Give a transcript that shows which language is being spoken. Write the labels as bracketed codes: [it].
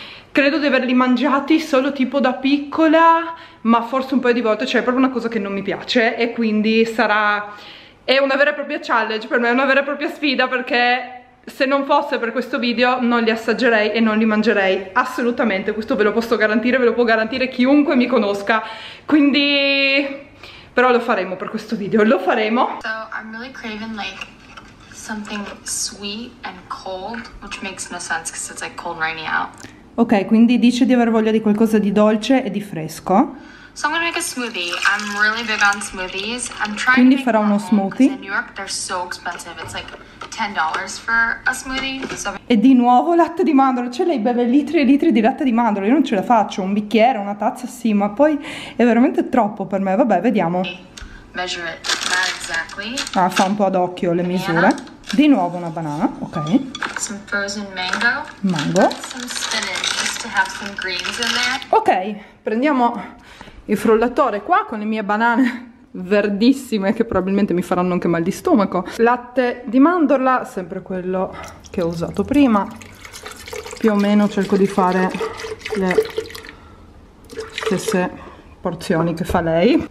[it] Credo di averli mangiati solo tipo da piccola, ma forse un paio di volte, cioè è proprio una cosa che non mi piace, e quindi sarà, è una vera e propria challenge per me, è una vera e propria sfida, perché se non fosse per questo video non li assaggerei e non li mangerei assolutamente, questo ve lo posso garantire, ve lo può garantire chiunque mi conosca, quindi però lo faremo per questo video, lo faremo. [en] So I'm really craving like something sweet and cold, which makes no sense because it's like cold and rainy out. [it] Ok, quindi dice di aver voglia di qualcosa di dolce e di fresco. [en] So I'm gonna make a smoothie. I'm really big on smoothies. I'm trying [it] quindi [en] to make [it] farò uno smoothie. [en] In New York they're so expensive. It's like $10 for a smoothie. So... [it] E di nuovo latte di mandorlo. Cioè lei beve litri e litri di latte di mandorlo. Io non ce la faccio. Un bicchiere, una tazza, sì, ma poi è veramente troppo per me. Vabbè, vediamo. [en] Measure it. Not exactly. [it] Ah, fa un po' ad occhio le misure. [en] Banana. [it] Di nuovo una banana, ok. [en] Some frozen mango. [it] Mango. [en] Some spinach, just to have some greens in there. [it] Ok, prendiamo il frullatore qua con le mie banane verdissime che probabilmente mi faranno anche mal di stomaco. Latte di mandorla, sempre quello che ho usato prima. Più o meno cerco di fare le stesse porzioni che fa lei.